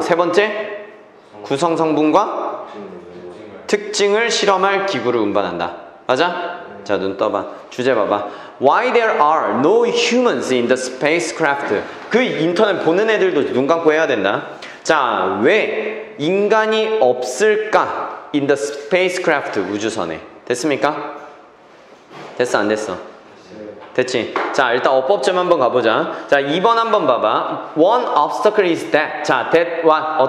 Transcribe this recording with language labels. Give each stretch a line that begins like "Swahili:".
Korean: 세 번째 구성 성분과 특징을 실험할 기구를 운반한다. 맞아? 자, 눈 떠봐. 주제 봐봐.
English: Why there are no humans in the spacecraft?
Korean: 그 인터넷 보는 애들도 눈 감고 해야 된다. 자, 왜 인간이 없을까?
English: In the spacecraft,
Korean: 우주선에. 됐습니까? 됐어, 안 됐어? 됐지? 자, 일단 어법점 한번 가보자. 자, 2번 한번 봐봐.
English: One obstacle is that.
Korean: 자,
English: that one.